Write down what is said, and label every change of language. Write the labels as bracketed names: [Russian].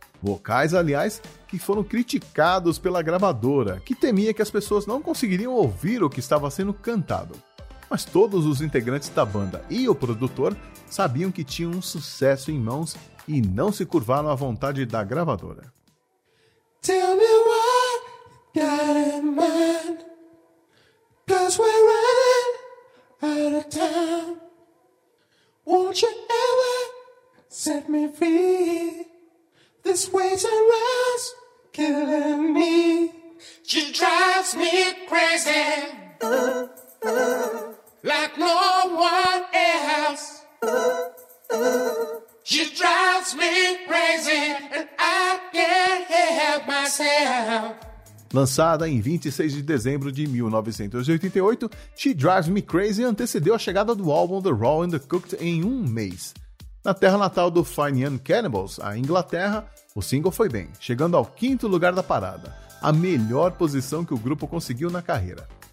[Portuguese] Vocais, aliás, que foram criticados pela gravadora, que temia que as pessoas não conseguiriam ouvir o que estava sendo cantado. Mas todos os integrantes da banda e o produtor sabiam que tinham um sucesso em mãos e não se curvaram à vontade da gravadora. [English] Tell me what got in mind, 'cause we're running out of time. Won't you ever set me free? This weight around's killing me. She drives me crazy, like no one else. She drives me crazy, and I can't help myself. [Portuguese] Lançada em 26 de dezembro de 1988, She Drives Me Crazy antecedeu a chegada do álbum The Raw and the Cooked em um mês. Na terra natal do Fine Young Cannibals, a Inglaterra, o single foi bem, chegando ao quinto lugar da parada, a melhor posição que o grupo conseguiu na carreira.